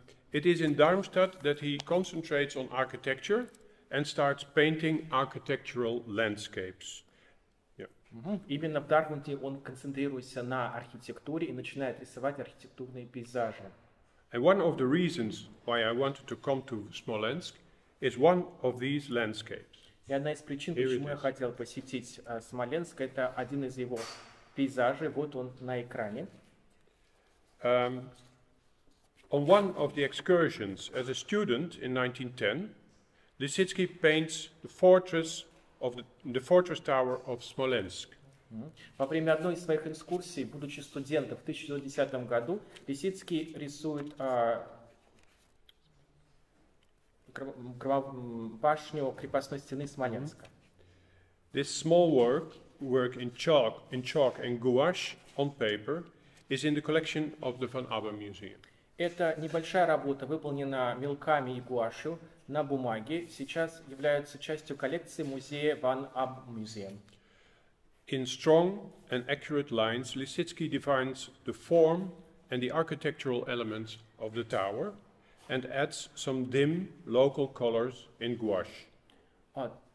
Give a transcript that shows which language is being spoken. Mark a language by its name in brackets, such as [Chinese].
[English] It is in Darmstadt that he concentrates on architecture and starts painting architectural landscapes. Yeah. [Russian] Именно в Дартмунде он концентрируется на архитектуре и начинает рисовать архитектурные пейзажи. [English] And one of the reasons why I wanted to come to Smolensk is one of these landscapes. [Russian] И одна из причин, почему я хотел посетить Смоленск, это один из его пейзажей. Вот он на экране. [English] On one of the excursions as a student in 1910, Lisicki paints the fortress tower of Smolensk. [Russian] Во время одной из своих экскурсий, будучи студентом в 1910 году, Лисицкий рисует башню крепостной стены Смоленска. [English] This small work in chalk and gouache on paper is in the collection of the Van Abbe Museum. [Russian] Эта небольшая работа выполнена мелками и гуашью на бумаге, сейчас является частью коллекции музея Van Ab Museum. [English] In strong and accurate lines, Лисицкий defines the form and the architectural elements of the tower and adds some dim local colors in gouache.